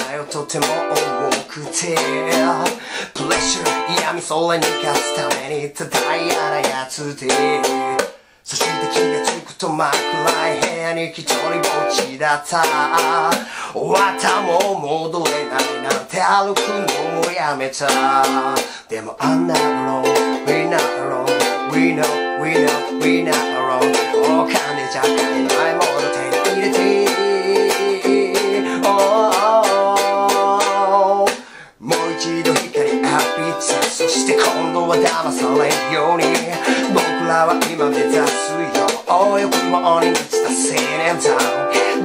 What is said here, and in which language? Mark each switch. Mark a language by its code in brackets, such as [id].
[ja] とても重くてプレッシャー、嫌味、それに勝つためにただ嫌なやつで、そして気がつくと枕部屋に一人ぼっちだった。終わったもんも歩くのもやめた。でも [en] I'm not alone, we're not alone, we know, we know, we're not alone。 [ja] お金じゃ買えないもの手に入れて、 もう一度光浴びて、 そして今度は騙されんように、僕らは今目指すよ欲望に満ちた青年団。